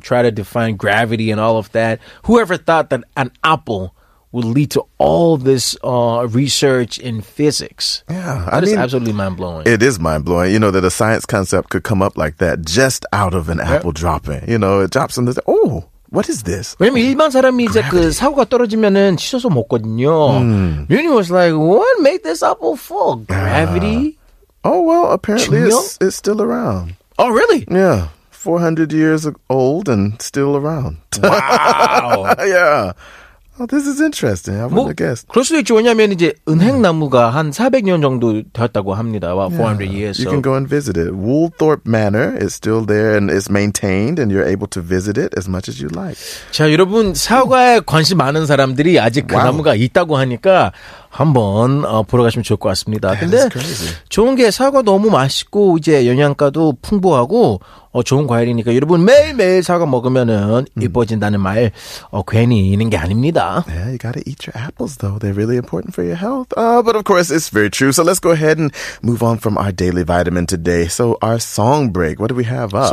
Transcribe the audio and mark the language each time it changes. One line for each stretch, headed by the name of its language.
English: Try to define gravity and all of that. Whoever thought that an apple would lead to all this research in physics. Yeah. That is absolutely mind-blowing. It is mind-blowing. You know, that a science concept could come up like that just out of an apple dropping. You know, it drops in the... Oh, what is this?
Korean: 왜냐면 일반 사람이 이제 그 사고가 떨어지면은 씻어서 먹거든요.
English: Newton was like, what made this apple fall? Gravity? Oh, well, apparently it's still around. Oh, really? Yeah. 400 years old and still around. Wow. Yeah. Oh, this is interesting. I wouldn't have guessed.
Korean: 그럴 수도 있죠. 왜냐하면 이제 은행나무가 한 400년 정도 되었다고 합니다.
English: About 400 years. You can go and visit it. Woolthorpe Manor is still there and it's maintained and you're able to visit it as much as you like.
Korean: 자, 여러분 사과에 관심 많은 사람들이 아직 그 나무가 있다고 하니까 한번 보러 가시면 좋을 것 같습니다. 근데 좋은 게 사과 너무 맛있고 이제 영양가도 풍부하고 좋은 과일이니까 여러분 매일매일 사과 먹으면은 이뻐진다는 말 괜히 있는 게 아닙니다.
English: Yeah, you gotta eat your apples though. They're really important for your health. But of course, it's very true. So let's go ahead and move on from our daily vitamin today. So our song break, what do we have up?